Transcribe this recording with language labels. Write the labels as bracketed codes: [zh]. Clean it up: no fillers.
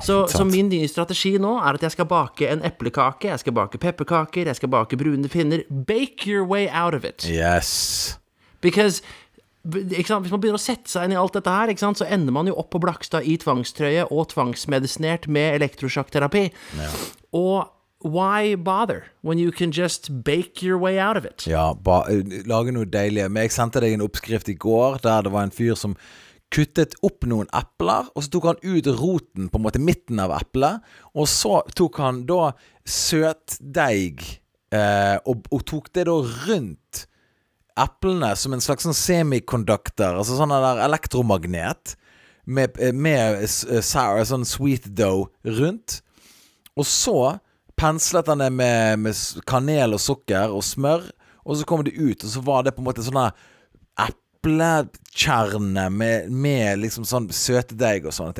[sv] Så min nya strategi nu är att jag ska baka en äppelkake, jag ska baka pepparkakor, jag ska baka bruna finner. [en] Bake your way out of it. Yes. [sv] Because, exakt, om man börjar sätta sig in i allt detta här, exakt, så ändrar man ju upp på Blackstad i tvångströje och tvångsmedicinerat med elektroschockterapi. [en] Och why bother when you can just bake your way out of it? [sv] Ja, lage något deilig. Men jag sände dig en uppskrift igår där det var en fyr som kuttet upp någon äpplar och så tog han ut roten på mot mitten av äpplet och så tog han då söt deig och tog det då runt äpplena som en slags semikonduktor, alltså sån där elektromagnet med sour, sån [en] sweet dough [sv] runt, och så penslat han det med kanel och socker och smör, och så kom det ut och så var det på mot såna äppelkärna med liksom sån sötdeig och sånt.